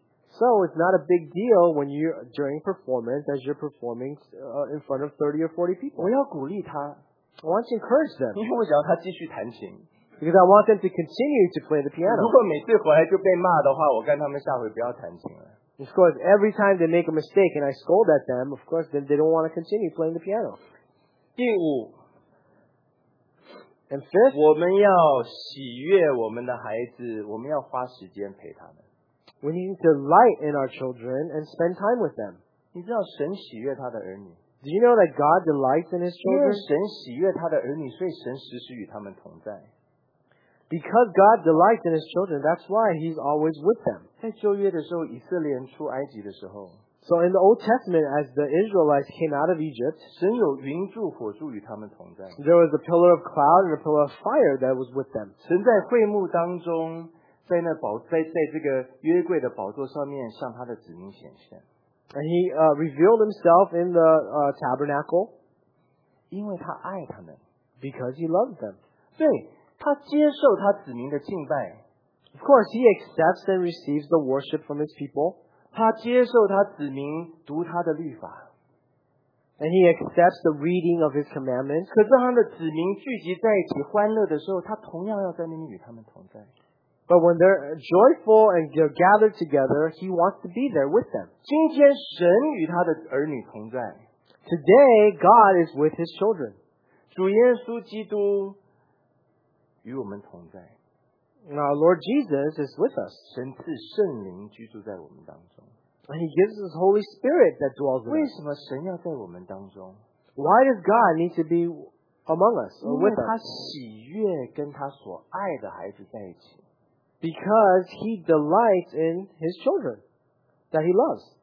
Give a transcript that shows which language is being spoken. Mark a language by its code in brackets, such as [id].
[en] So it's not a big deal when you're during performance as you're performing in front of 30 or 40 people. [zh] 我要鼓励他, [en] I want to encourage them. [zh] 因为我想要他继续弹琴, [en] because I want them to continue to play the piano. [zh] 如果每次回来就被骂的话, 我跟他们下回不要弹琴了。 [en] Of course, every time they make a mistake and I scold at them, of course, then they don't want to continue playing the piano. [zh] 第五, [en] and fifth, [zh] 我们要喜悦我们的孩子, 我们要花时间陪他们。 [en] We need delight in our children and spend time with them. Do you know that God delights in His children? Because God delights in His children, that's why He's always with them. So in the Old Testament, as the Israelites came out of Egypt, there was a pillar of cloud and a pillar of fire that was with them. [zh] 在那宝在这个约柜的宝座上面向他的子民显现， [en] and he revealed himself in the tabernacle, [zh] 因为他爱他们， [en] because he loved them. [zh] 对，他接受他子民的敬拜， [en] of course he accepts and receives the worship from his people. [zh] 他接受他子民读他的律法。 [en] And he accepts the reading of his commandments. [zh] 可是他的子民聚集在一起欢乐的时候，他同样要在那里与他们同在。 [en] But when they're joyful and they're gathered together, he wants to be there with them. [zh] 今天神与他的儿女同在。 [en] Today, God is with his children. [zh] 主耶稣基督与我们同在。 [en] Now, Lord Jesus is with us. [zh] 神赐圣灵居住在我们当中。 [en] And he gives us Holy Spirit that dwells in us. [zh] 为什么神要在我们当中? [en] Why does God need to be among us? With us? [zh] 因为他喜悦跟他所爱的孩子在一起。 [en] Because he delights in his children that he loves.